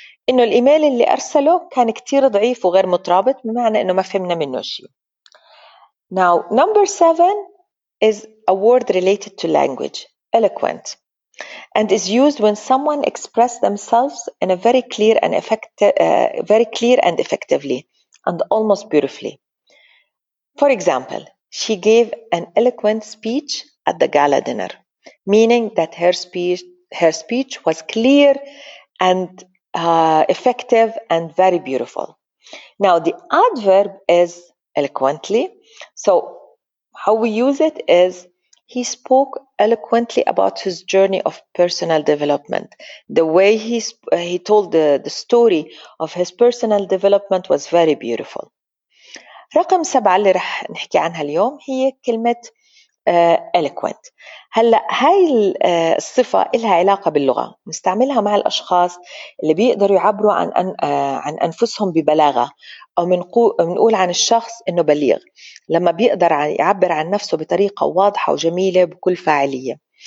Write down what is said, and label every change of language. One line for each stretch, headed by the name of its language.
Arabic: إنه الإيميل اللي أرسله كان كتير ضعيف وغير مترابط، بمعنى إنه ما فهمنا منه شيء.
English: Now number seven is a word related to language, eloquent, and is used when someone expresses themselves in a very clear and effectively and almost beautifully. For example, she gave an eloquent speech at the gala dinner, meaning that her speech was clear and effective and very beautiful. Now the adverb is eloquently. So how we use it is he spoke eloquently about his journey of personal development. The way he told the story of his personal development was very beautiful.
Arabic: رقم سبعة اللي رح نحكي عنها اليوم هي كلمة eloquent. هلأ هاي الصفة إلها علاقة باللغة، نستعملها مع الأشخاص اللي بيقدروا يعبروا عن أنفسهم ببلاغة، أو منقول عن الشخص إنه بليغ لما بيقدر يعبر عن نفسه بطريقة واضحة وجميلة بكل فاعلية.